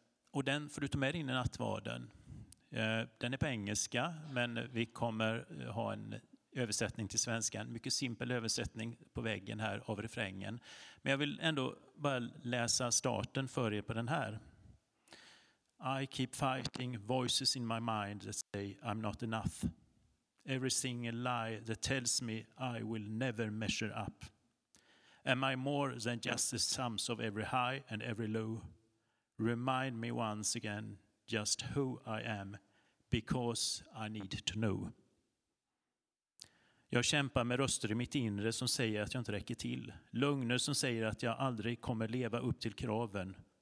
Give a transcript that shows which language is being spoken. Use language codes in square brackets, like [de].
[sv] Och den får du ta med in i nattvarden. Den är på engelska, men vi kommer ha en översättning till svenska, en mycket simpel översättning på väggen här av refrängen. Men jag vill ändå bara läsa starten för er på den här. [en] I keep fighting voices in my mind that say I'm not enough. Every single lie that tells me I will never measure up. Am I more than just the sums of every high and every low? Remind me once again just who I am, because I need to know. [sv] Jag kämpar med röster i mitt inre som säger att jag inte räcker till. Lögner som säger att jag aldrig kommer leva upp till kraven.